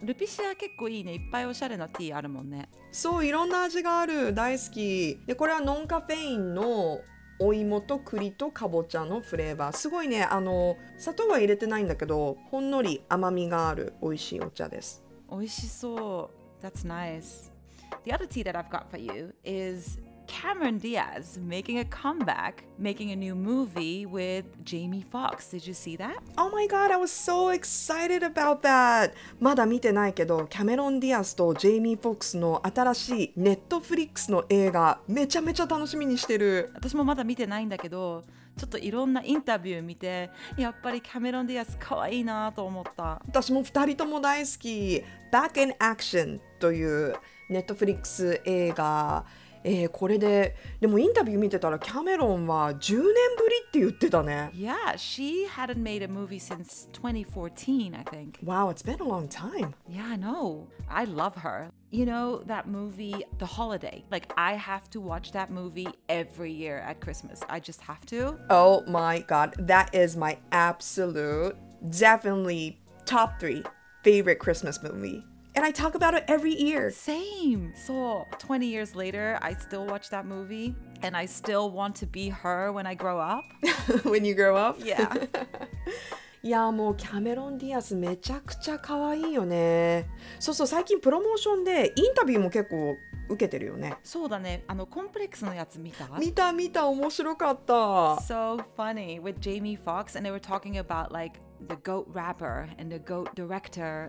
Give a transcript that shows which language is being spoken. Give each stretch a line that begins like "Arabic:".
Japanese: ルピシア結構いいね。いっぱいおしゃれなティーあるもんね。そう、いろんな味がある。大好き。で、これはノンカフェインのお芋と栗とかぼちゃのフレーバー。すごいね、あの、砂糖は入れてないんだけど、ほんのり甘みがある美味しいお茶です。美味しそう。
English: That's nice. The other tea that I've got for you is Cameron Diaz making a comeback, making a new movie with Jamie Foxx. Did you see that? Oh my god, I was so excited about that.
Japanese: まだ見てないけど、キャメロン・ディアスとジェイミー・フォックスの新しいネットフリックスの映画、めちゃめちゃ楽しみにしてる。私もまだ見てないんだけど、ちょっといろんなインタビュー見て、やっぱりキャメロン・ディアス可愛いなと思った。私も2人とも大好き。Back in Action というネットフリックス映画、これで、でもインタビュー見てたらキャメロンは10年ぶりって言ってたね。
English: Yeah, she hadn't made a movie since 2014, I think. Wow, it's been a long time. Yeah, I know. I love her. You know that movie, The Holiday? Like, I have to watch that movie every year at Christmas. I just have to. Oh my god, that is my absolute, definitely top three favorite Christmas movie. And I talk about it every year. Same. So 20 years later, I still watch that movie. And I still want to be her when I grow up. When you grow up? Yeah.
Japanese: いや、もうキャメロン・ディアスめちゃくちゃ可愛いよね。そうそう、最近プロモーションでインタビューも結構受けてるよね。そうだね。あの、コンプレックスのやつ見た？見た見た。面白かった。
English: So funny with Jamie Foxx. And they were talking about like,The goat rapper and the goat director.